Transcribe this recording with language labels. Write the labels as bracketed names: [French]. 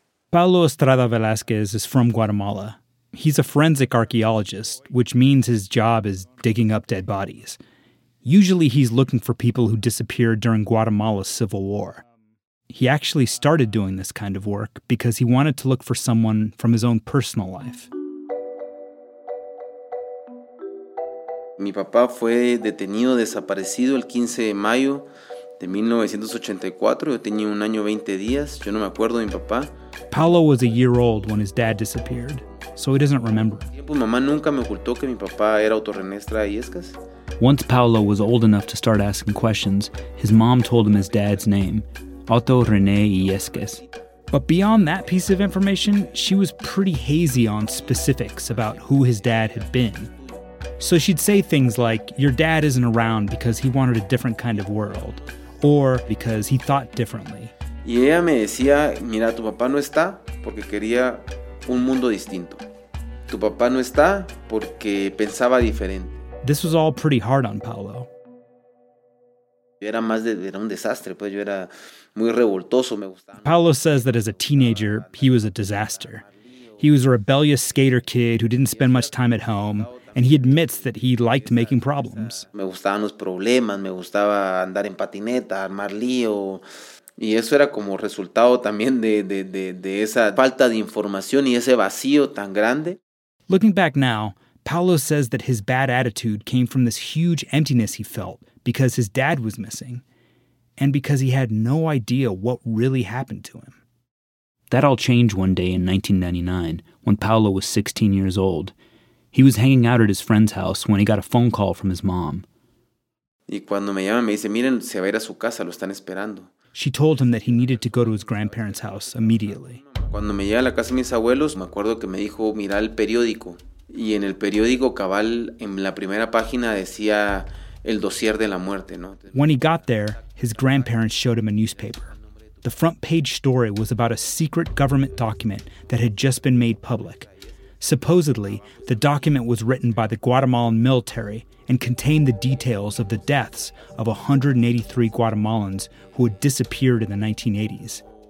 [English] Paulo Estrada Velázquez is from Guatemala. He's a forensic archaeologist, which means his job is digging up dead bodies. Usually he's looking for people who disappeared during Guatemala's civil war. He actually started doing this kind of work because he wanted to look for someone from his own personal life. [Spanish] Mi papá fue detenido, desaparecido el 15 de mayo. De 1984, yo tenía un año 20 días, yo no me acuerdo de mi papá. [English] Paulo was a year old when his dad disappeared, so he doesn't remember. [Spanish] Pues mamá nunca me ocultó que mi papá era autorrenestra de Iescas. [English] Once Paulo was old enough to start asking questions, his mom told him his dad's name, Otto René Iescas. But beyond that piece of information, she was pretty hazy on specifics about who his dad had been. So she'd say things like, your dad isn't around because he wanted a different kind of world, or because he thought differently. [Spanish] Y ella me decía, mira, tu papá no está porque quería un mundo distinto. Tu papá no está porque pensaba diferente. [English] This was all pretty hard on Paulo. [Spanish] Era un desastre, pues yo era muy revoltoso. [English] Paulo says that as a teenager, he was a disaster. He was a rebellious skater kid who didn't spend much time at home, and he admits that he liked making problems. [Spanish] Me gustaban los problemas, me gustaba andar en patineta, armar lío. Y eso era como resultado también de esa falta de información y ese vacío tan grande. [English] Looking back now, Paulo says that his bad attitude came from this huge emptiness he felt because his dad was missing and because he had no idea what really happened to him. That all changed one day in 1999 when Paulo was 16 years old. He was hanging out at his friend's house when he got a phone call from his mom. [Spanish] Y cuando me llama, me dice, miren, se va a ir a su casa, lo están esperando. [English] She told him that he needed to go to his grandparents' house immediately. [Spanish] Cuando me llega a la casa de mis abuelos, me acuerdo que me dijo, mira el periódico. Y en el periódico cabal, en la primera página, decía el dossier de la muerte, ¿no? [English] When he got there, his grandparents showed him a newspaper. The front page story was about a secret government document that had just been made public. Supposedly, the document was written by the Guatemalan military and contained the details of the deaths of 183 Guatemalans who had disappeared in the 1980s.